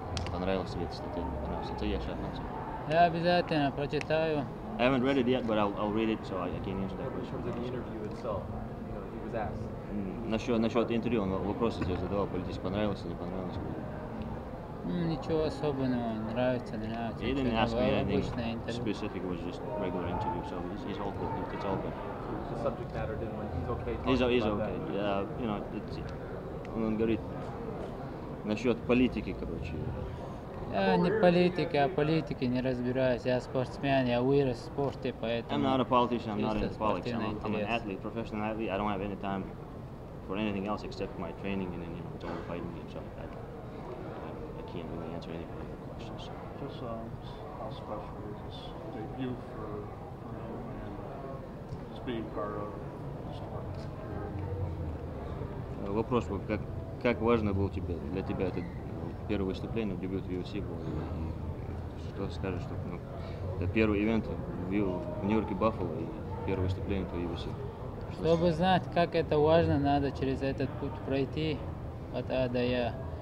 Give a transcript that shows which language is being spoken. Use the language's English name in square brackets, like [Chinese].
[Russian] понравилась тебе эта статья, мне понравилась. Это я сейчас начал. Я обязательно прочитаю. [English] I haven't read it yet, but I'll read it, so I can answer that question. In terms of the interview itself, you know, he was asked. [Russian] Насчет интервью, он вопросы тебе задавал, политически понравилось или не понравилось? Ничего особенного, нравится, не нравится. [English] He didn't ask me anything specific, it was just regular interview, so he's all good, it's all good. The subject matter didn't want, he's okay talking about that. He's okay, yeah, you know, it's, [Russian] он говорит насчет политики, короче. Я не политик, я политики не разбираюсь. Я спортсмен, я вырос в спорте, поэтому. [English] I'm not a politician, I'm not into politics. I'm an athlete, professional athlete. I don't have any time for anything else except my training and then, you know, don't fight me and stuff like that. I can't really answer any of your questions. Just how special is this debut for and just being part of this tournament? [Russian] Вопрос был, как важно было тебе для тебя этот первое выступление, дебют в UFC был, и что скажешь, что ну, это первый ивент в Нью-Йорке Баффало и первое выступление по UFC. Чтобы знать, как это важно, надо через этот путь пройти, от А до Я.